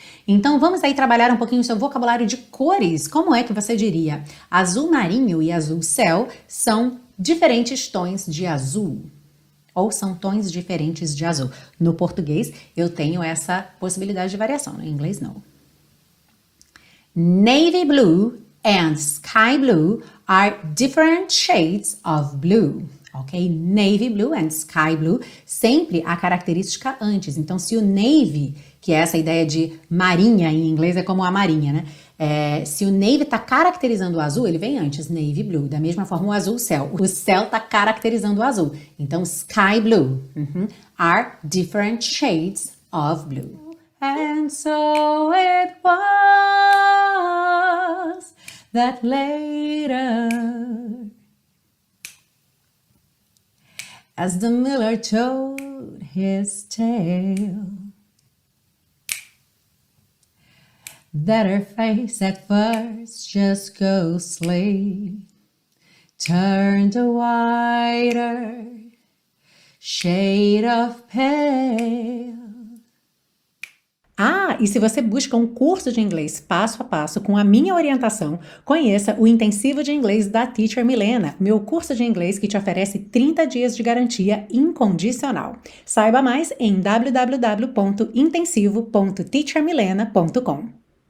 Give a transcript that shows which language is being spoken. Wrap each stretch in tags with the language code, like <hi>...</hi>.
<pt>Então vamos aí trabalhar um pouquinho o seu vocabulário de cores. Como é que você diria? Azul marinho e azul céu são diferentes tons de azul. Ou são tons diferentes de azul. No português, eu tenho essa possibilidade de variação. Em inglês, não.</pt> <en>Navy blue and sky blue are different shades of blue.</en> <pt>Ok? Navy blue and sky blue, sempre a característica antes. Então, se o navy, que é essa ideia de marinha em inglês, é como a marinha, né? Se o navy está caracterizando o azul, ele vem antes, navy blue. Da mesma forma, o azul, céu. O céu está caracterizando o azul. Então, sky blue are different shades of blue.</pt> <en>And so it was that later, as the miller told his tale, that her face at first just ghostly turned a whiter shade of pale.</en> <pt>Ah, e se você busca um curso de inglês passo a passo com a minha orientação, conheça o Intensivo de Inglês da Teacher Milena, meu curso de inglês que te oferece 30 dias de garantia incondicional. Saiba mais em www.intensivo.teachermilena.com.</pt>